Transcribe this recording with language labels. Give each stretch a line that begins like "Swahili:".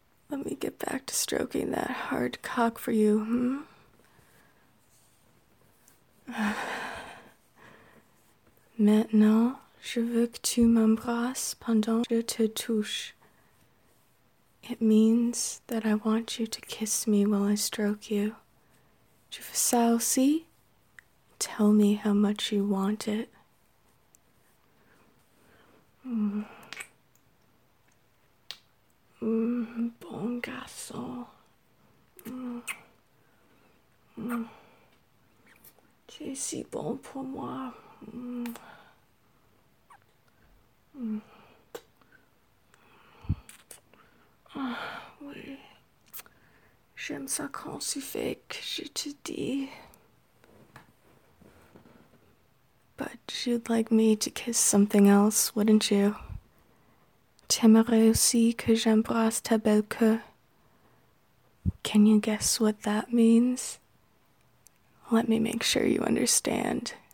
English: Let me get back to stroking that hard cock for you, hmm?
French: Maintenant, je veux que tu m'embrasses pendant que je te touche.
English: It means that I want you to kiss me while I stroke you.
French: Tu veux ça aussi?
English: Tell me how much you want it.
French: Bon garçon. Tu es si bon pour moi. Oui, j'aime ça quand tu fais que je te dis.
English: But you'd like me to kiss something else, wouldn't you?
French: T'aimerais aussi que j'embrasse ta belle queue.
English: Can you guess what that means? Let me make sure you understand.